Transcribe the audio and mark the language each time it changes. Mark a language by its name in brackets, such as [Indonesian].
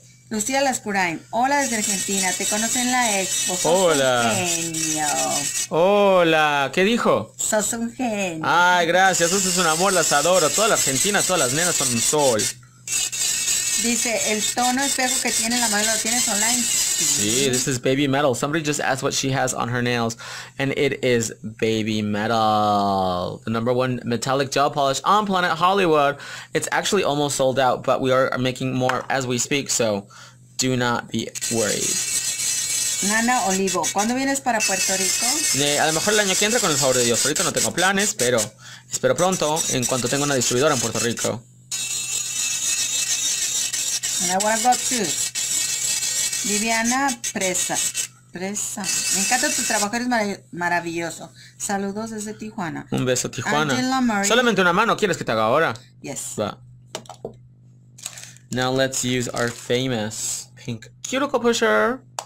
[Spanish] Lucía Lascurain, hola desde Argentina, te conocí en la Expo. Hola. Un genio. Hola, ¿qué dijo? Sos un genio. Ay, gracias, sos es un amor, las adoro. Toda la Argentina, todas las nenas son un sol. Dice, el tono espejo que tiene la mano, ¿lo tienes online? [English] Sí, this is baby metal. Somebody just asked what she has on her nails, and it is baby metal. The number one metallic gel polish on planet Hollywood. It's actually almost sold out, but we are making more as we speak, so do not be worried. [Spanish] Nana Olivo, ¿cuándo vienes para Puerto Rico? A lo mejor el año que entra, con el favor de Dios. Ahorita no tengo planes, pero espero pronto, en cuanto tenga una distribuidora en Puerto Rico. [English] And I want to go to Viviana Presa. [Spanish] Me encanta tu trabajo, eres maravilloso. Saludos desde Tijuana. Un beso, Tijuana. Angela Murray. Solamente una mano, ¿quieres que te haga ahora? [English] Yes. [Spanish] Va. [English] Now let's use our famous pink cuticle pusher.